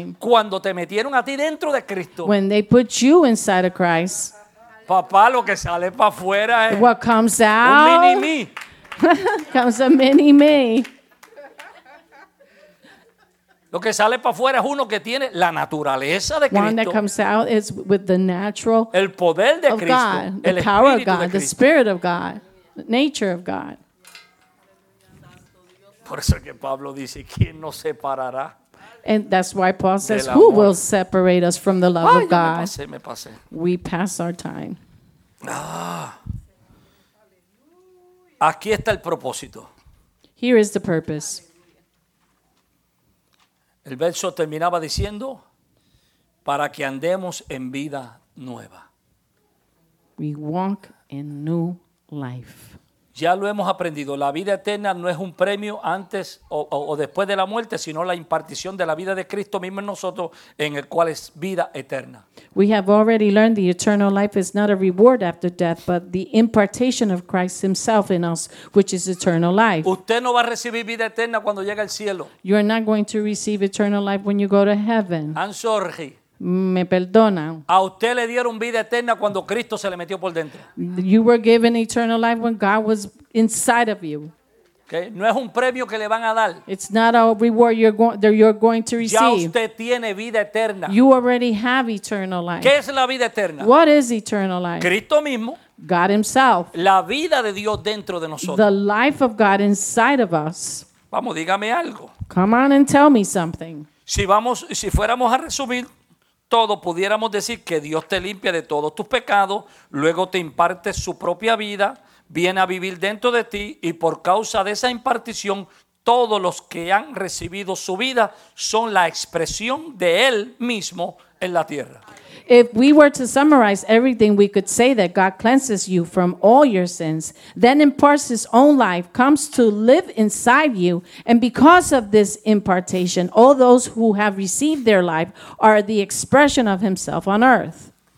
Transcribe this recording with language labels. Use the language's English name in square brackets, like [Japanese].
[Spanish] Entonces, cuando te metieron a ti dentro de Cristo. [English] When they put you inside of Christ. [Spanish] Papá, lo que sale para afuera es. [English] What comes out. [Spanish] Un mini-me. [English] Comes a mini-me. [Spanish] Lo que sale para afuera es uno que tiene la naturaleza de Cristo. [English] One that comes out is with the natural. [Spanish] El poder de [English] of [Spanish] Cristo. [English] God, [Spanish] el [English] the power [Spanish] Espíritu [English] of God, [Spanish] de Cristo. [English] The spirit of God, the nature of God. [Spanish] Por eso que Pablo dice, ¿quién nos separará? [English] And that's why Paul says, who will separate us from the love ay, of God? [Spanish] Me pasé. [English] We pass our time. Ah. [Spanish] Aquí está el propósito. [English] Here is the purpose. [Spanish] El verso terminaba diciendo, para que andemos en vida nueva. [English] We walk in new life. [Spanish] Ya lo hemos aprendido. La vida eterna no es un premio antes o después de la muerte, sino la impartición de la vida de Cristo mismo en nosotros, en el cual es vida eterna. [English] We have already learned the eternal life is not a reward after death, but the impartation of Christ himself in us, which is eternal life. [Spanish] Usted no va a recibir vida eterna cuando llegue al cielo. [English] You are not going to receive eternal life when you go to heaven. I'm sorry. [Spanish] Me perdona. A usted le dieron vida eterna cuando Cristo se le metió por dentro. [English] You were given eternal life when God was inside of you. Okay. [Spanish] No es un premio que le van a dar. [English] It's not a reward you're going to receive. [Spanish] Ya usted tiene vida eterna. [English] You already have eternal life. [Spanish] ¿Qué es la vida eterna? [English] What is eternal life? [Spanish] Cristo mismo. [English] God himself. [Spanish] La vida de Dios dentro de nosotros. [English] The life of God inside of us. [Spanish] Vamos, dígame algo. [English] Come on and tell me something. [Spanish] Si fuéramos a resumir todo, pudiéramos decir que Dios te limpia de todos tus pecados, luego te imparte su propia vida, viene a vivir dentro de ti y por causa de esa impartición, todos los que han recibido su vida son la expresión de Él mismo en la tierra. [English] If we were to summarize everything, we could say that God cleanses you from all your sins, then imparts his own life, comes to live inside you, and because of this impartation, all those who have received their life are the expression of himself on earth.